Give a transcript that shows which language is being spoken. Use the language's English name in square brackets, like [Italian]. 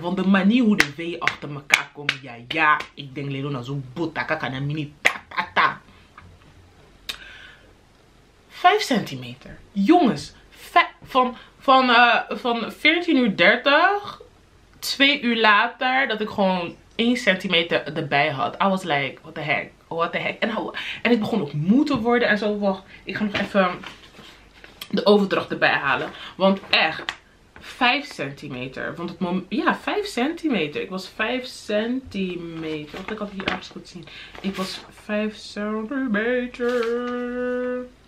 [Dutch] Want de manier hoe de weeën achter elkaar komen. Ja, ik denk Lerona zo'n botta, kaka, na mini. 5 centimeter. Jongens, van 14:30, 2 uur later, dat ik gewoon 1 centimeter erbij had. [English] I was like, what the heck, what the heck. [Dutch] En ik begon ook moe te worden en zo. Wacht, ik ga nog even de overdracht erbij halen. Want echt, 5 centimeter. Want het moment, ja, 5 centimeter. Ik was 5 centimeter. Wacht, ik had het hier ergens goed zien. Ik was 5 centimeter.